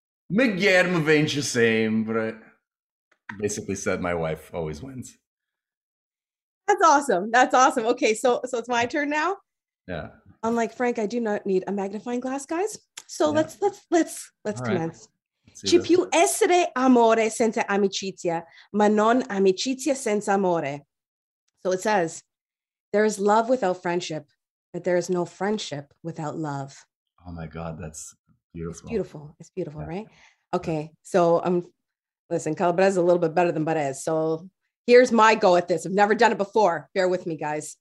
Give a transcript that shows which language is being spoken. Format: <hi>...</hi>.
<it>Mi germ vince sempre.</it> <en>Basically said my wife always wins. That's awesome. That's awesome. Okay, so it's my turn now. Yeah. Unlike Frank, I do not need a magnifying glass, guys. So let's commence.</en> <it>Ci può essere amore senza amicizia, ma non amicizia senza amore.</it> <en>So it says, there is love without friendship, but there is no friendship without love. Oh my God, that's beautiful. It's beautiful. It's beautiful, right? Okay, so Calabrese is a little bit better than Berez. So here's my go at this. I've never done it before. Bear with me, guys.</en>